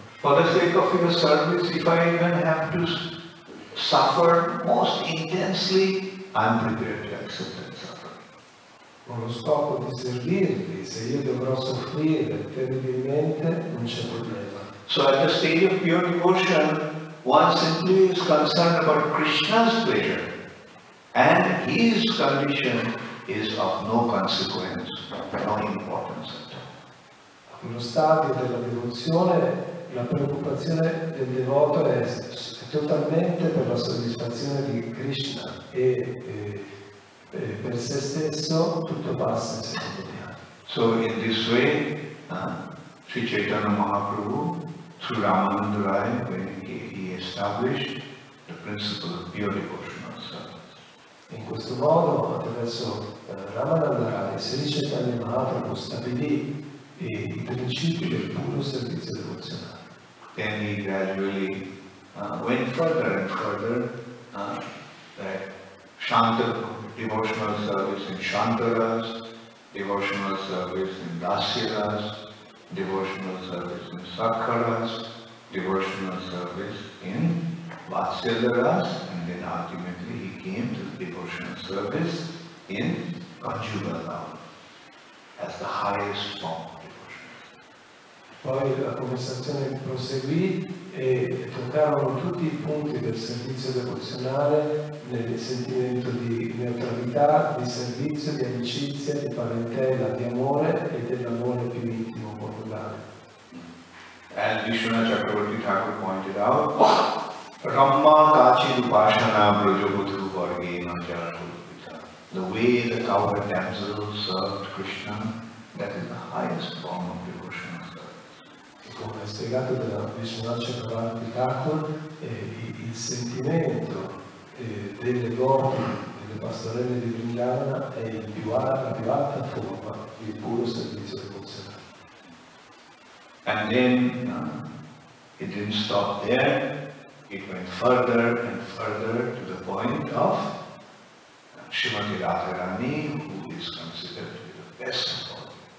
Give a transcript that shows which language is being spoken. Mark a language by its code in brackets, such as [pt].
[en] For the sake of your service, if I even have to suffer most intensely, I'm prepared to accept that suffering. [it] Con lo scopo di servirti, se io dovrò soffrire terribilmente, non c'è problema. [en] So at the stage of pure devotion, one simply is concerned about Krishna's pleasure and his condition is of no consequence, no importance at all. [it] Nello stadio della devozione, la preoccupazione del devoto è totalmente per la soddisfazione di Krishna e per se stesso tutto passa in secondo piano. [en] So in this way, Sri Chaitanya Mahaprabhu, through Ramananda Rai, he established the principle of pure devotional service. [it] In questo modo, attraverso Ramananda Rai, Sri Chaitanya Mahaprabhu stabilì i principi del puro servizio devozionale. [en] Then he gradually went further and further, that Shantara devotional service in Shantaras, devotional service in Dasyaras, devotional service in Sakharas, devotional service in Vatsyadaras, and then ultimately he came to the devotion. devotional service in conjugal love as the highest form of devotion. [it] Poi la conversazione proseguì e toccarono tutti i punti del servizio devozionale nel sentimento di neutralità, di servizio, di amicizia, di parentela, di amore e dell'amore più intimo popolare. [en] As Vishwanath Chakravarti Thakur pointed out, [sa] Ramma Kachi Upashana Brajabhutu Varge Najara Kulupita. [en] The way the cowherd damsel served Krishna, that is the highest form of devotional service. [it] Come ha spiegato da Vishwanath Chakravarti Thakur, il sentimento delle donne, delle pastorelle di Vrindavana è la più alta forma di puro servizio devozionale. [en] And then it didn't stop there, it went further and further to the point of Srimati Radharani, who is considered to be the best of all.